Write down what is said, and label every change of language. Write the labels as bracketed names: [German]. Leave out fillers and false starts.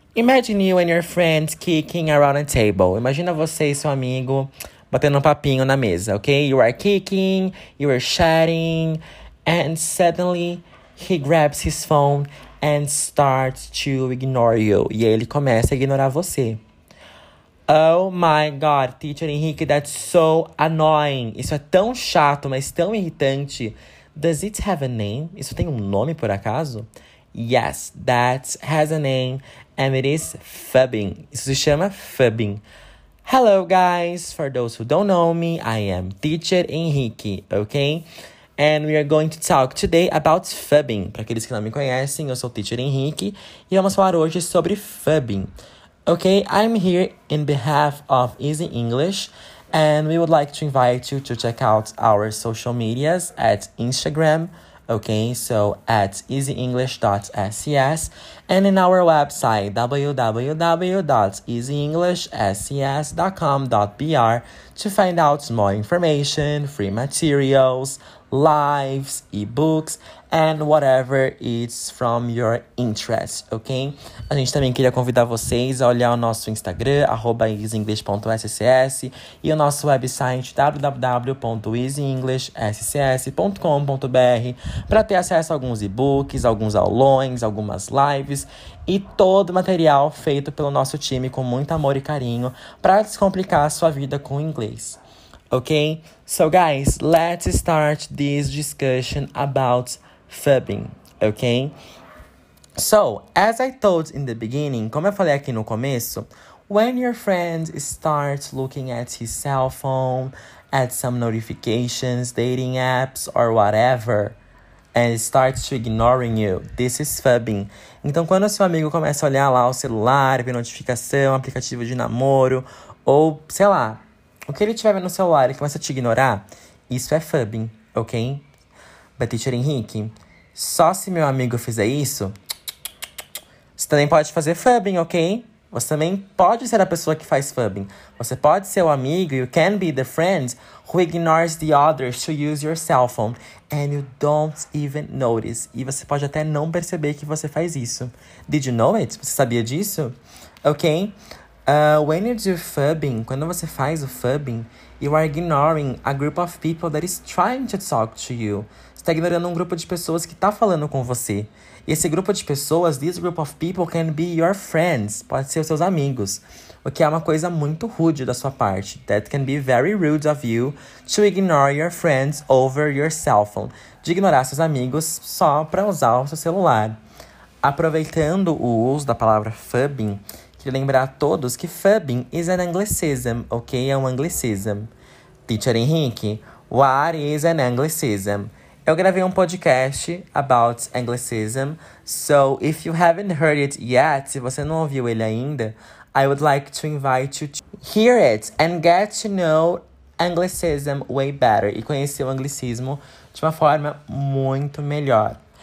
[English] Imagine you and your friends kicking around a table. [Portuguese] Imagina você e seu amigo batendo um papinho na mesa, ok? [English] You are kicking, you are chatting, and suddenly he grabs his phone and starts to ignore you. [Portuguese] E aí ele começa a ignorar você. [English] Oh my God, teacher Henrique, that's so annoying. [Portuguese] Isso é tão chato, mas tão irritante. [English] Does it have a name? [Portuguese] Isso tem um nome por acaso? [English] Yes, that has a name and it is fubbing. [Portuguese] Isso se chama fubbing. [English] Hello, guys. For those who don't know me, I am Teacher Henrique, okay? And we are going to talk today about fubbing. [Portuguese] Para aqueles que não me conhecem, eu sou Teacher Henrique e vamos falar hoje sobre fubbing. [English] Okay, I'm here in behalf of Easy English, and we would like to invite you to check out our social medias at Instagram, okay? So at easyenglish.scs, and in our website www.easyenglishscs.com.br to find out more information, free materials, lives, e-books, and whatever is from your interest, ok? [Portuguese] A gente também queria convidar vocês a olhar o nosso Instagram, @easyenglish.scs, e o nosso website, www.easyenglishscs.com.br, para ter acesso a alguns e-books, alguns aulões, algumas lives, e todo o material feito pelo nosso time com muito amor e carinho para descomplicar a sua vida com o inglês. [English] Okay, so guys, let's start this discussion about fubbing, okay? So, as I told in the beginning, [Portuguese] como eu falei aqui no começo, [English] when your friend starts looking at his cell phone, at some notifications, dating apps, or whatever, and starts to ignoring you, this is fubbing. [Portuguese] Então, quando seu amigo começa a olhar lá o celular, ver notificação, aplicativo de namoro, ou sei lá. O que ele tiver no celular e começa a te ignorar, isso é fubbing, ok? But teacher Henrique, só se meu amigo fizer isso, você também pode fazer fubbing, ok? Você também pode ser a pessoa que faz fubbing. Você pode ser o amigo, [English] you can be the friend who ignores the others to use your cell phone and you don't even notice. [Portuguese] E você pode até não perceber que você faz isso. [English] Did you know it? [Portuguese] Você sabia disso? [English] Ok? When you do fubbing, [Portuguese] quando você faz o fubbing, [English] you are ignoring a group of people that is trying to talk to you. [Portuguese] Você está ignorando um grupo de pessoas que está falando com você. E esse grupo de pessoas, [English] this group of people, can be your friends, [Portuguese] pode ser os seus amigos. O que é uma coisa muito rude da sua parte. [English] That can be very rude of you to ignore your friends over your cell phone. [Portuguese] De ignorar seus amigos só para usar o seu celular. Aproveitando o uso da palavra fubbing, de lembrar a todos que fubbing [English] is an anglicism, [Portuguese] ok? É um anglicism. [English] Teacher Henrique, what is an anglicism? [Portuguese] Eu gravei um podcast [English] about anglicism, so if you haven't heard it yet, [Portuguese] se você não ouviu ele ainda, [English] I would like to invite you to hear it and get to know anglicism way better [Portuguese] e conhecer o anglicismo de uma forma muito melhor.